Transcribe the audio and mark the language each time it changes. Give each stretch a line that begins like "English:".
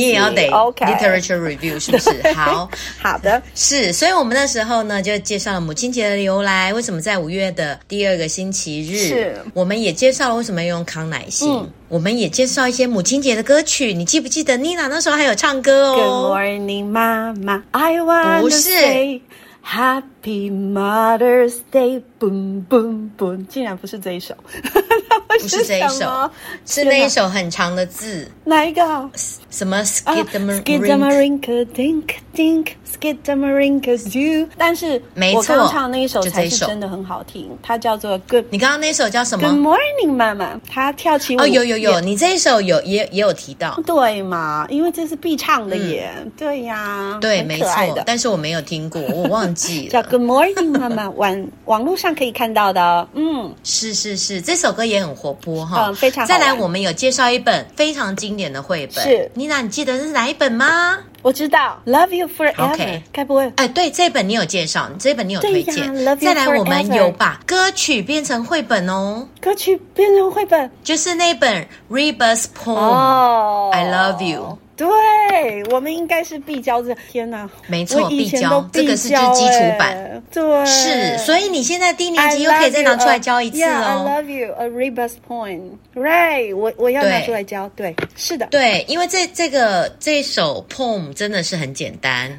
Chinese: 你也要得 literature review 是不是？好的。是，所以我们那时候呢，就介绍了母亲节的由来，为什么在五月的第二个星期日，是，我们也介绍了为什么用康乃馨。我们也介绍一些母亲节的歌曲，你记不记得 Nina 那时候还有唱歌哦？
English: Good morning, Mama, I wanna say Happy Mother's Day, boom boom boom，
Chinese: 竟然不是这一首。不是这一首，是那一首很长的字。哪一个？什么 Skidamarink？
English: Skidamarink, dink dink, Skidamarink do。
Chinese: 但是，没错，我刚唱那一首才是真的很好听。它叫做 Good。你刚刚那首叫什么？Good Morning, Mama。 他跳起舞。哦，有。你这一首也有提到。对嘛？因为这是必唱的耶。对呀。对，没错。但是我没有听过，我忘记了。叫 Good Morning, Mama， 网络上可以看到的。是，这首歌也很活泼哈，非常。再来，我们有介绍一本非常经典的绘本，是 Nina， 你记得是哪一本吗？我知道 ，Love You Forever。 OK，该不会？对，这本你有介绍，这本你有推荐。对呀 ，Love You。再来，我们有把歌曲变成绘本哦。歌曲变成绘本，就是那本 Reba's Poem，I Love You。对，我们应该是必教的。天哪，没错，必教，这个是就基础版。对，是，所以你现在低年级又可以再拿出来教一次哦。
English: Yeah, I love you, a rebus point. Right,
Chinese: 我要拿出来教。对，是的，对，因为这首 poem 真的是很简单。